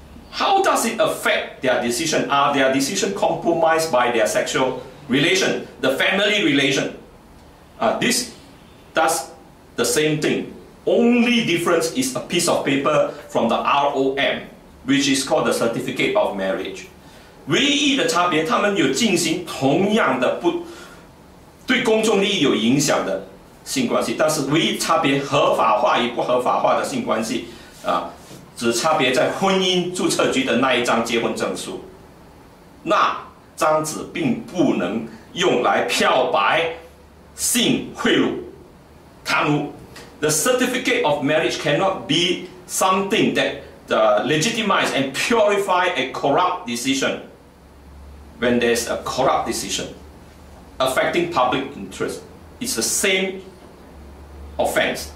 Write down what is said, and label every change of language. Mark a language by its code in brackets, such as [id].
[en] How does it affect their decision? Are their decision compromised by their sexual relation, the family relation? This does the same thing. Only difference is a piece of paper from the ROM, which is called the Certificate of Marriage. [zh] 唯一的差别，他们有进行同样的对公众利益有影响的性关系，但是唯一差别合法化与不合法化的性关系，只差别在婚姻注册局的那一张结婚证书。那张纸并不能用来漂白。性贿赂、贪污， [en] the certificate of marriage cannot be something that legitimize and purify a corrupt decision. When there's a corrupt decision affecting public interest, it's the same offense.